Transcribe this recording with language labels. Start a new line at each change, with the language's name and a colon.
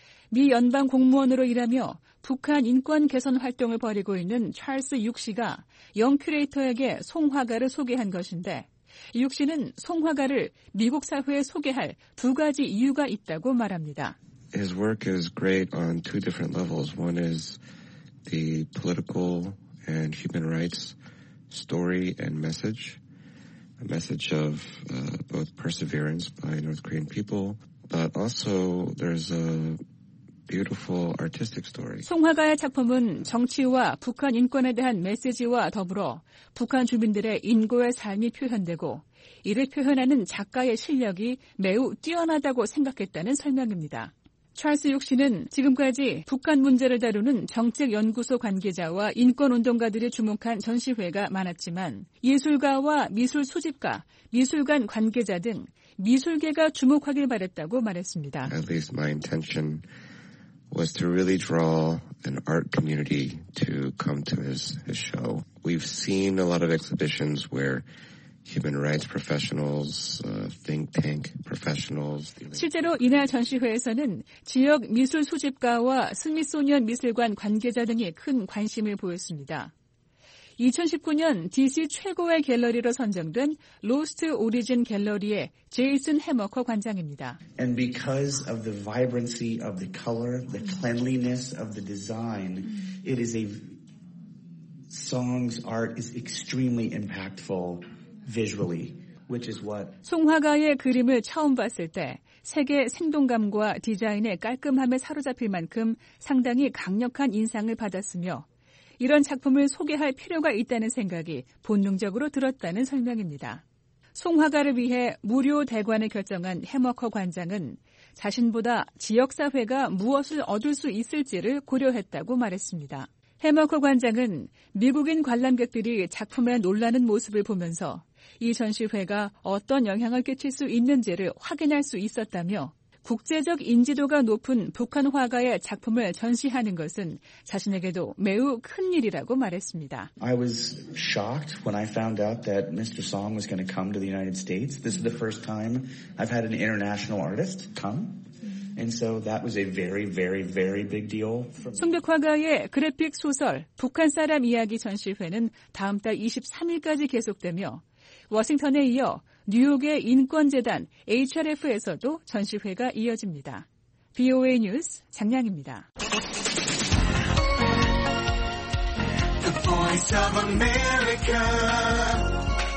Korean: 미 연방 공무원으로 일하며 북한 인권 개선 활동을 벌이고 있는 찰스 육 씨가 영 큐레이터에게 송화가를 소개한 것인데 육 씨는 송화가를 미국 사회에 소개할 두 가지 이유가 있다고 말합니다.
English: His work is great on two different levels. One is the political and human rights story and message, a message of both perseverance by North Korean people, but also there's a beautiful artistic story.
Korean: 송화가의 작품은 정치와 북한 인권에 대한 메시지와 더불어 북한 주민들의 인고의 삶이 표현되고 이를 표현하는 작가의 실력이 매우 뛰어나다고 생각했다는 설명입니다. 찰스 육 씨는 지금까지 북한 문제를 다루는 정책연구소 관계자와 인권운동가들이 주목한 전시회가 많았지만 예술가와 미술 수집가, 미술관 관계자 등 미술계가 주목하길 바랬다고 말했습니다.
English: At least my intention was to really draw an art community to come to his show. We've seen a lot of exhibitions where human rights professionals, think tank professionals.
Korean: 실제로 이날 전시회에서는 지역 미술 수집가와 스미소니언 미술관 관계자 등이 큰 관심을 보였습니다. 2019년 DC 최고의 갤러리로 선정된 로스트 오리진 갤러리의 제이슨 해머커 관장입니다.
English: And because of the vibrancy of the color, the cleanliness of the design, it is a song's art is extremely impactful. Visually, which is what
Korean: 송화가의 그림을 처음 봤을 때 색의 생동감과 디자인의 깔끔함에 사로잡힐 만큼 상당히 강력한 인상을 받았으며 이런 작품을 소개할 필요가 있다는 생각이 본능적으로 들었다는 설명입니다. 송화가를 위해 무료 대관을 결정한 해머커 관장은 자신보다 지역사회가 무엇을 얻을 수 있을지를 고려했다고 말했습니다. 해머커 관장은 미국인 관람객들이 작품에 놀라는 모습을 보면서 이 전시회가 어떤 영향을 끼칠 수 있는지를 확인할 수 있었다며 국제적 인지도가 높은 북한 화가의 작품을 전시하는 것은 자신에게도 매우 큰 일이라고 말했습니다.
English: I was shocked when I found out that Mr. Song was going to come to the United States. This is the first time I've had an international artist come. And so that was a very, very, very big deal.
Korean: 송벽화가의 그래픽 소설 북한 사람 이야기 전시회는 다음 달 23일까지 계속되며 워싱턴에 이어 뉴욕의 인권재단 HRF에서도 전시회가 이어집니다. VOA 뉴스 장량입니다.
English: The Voice of America.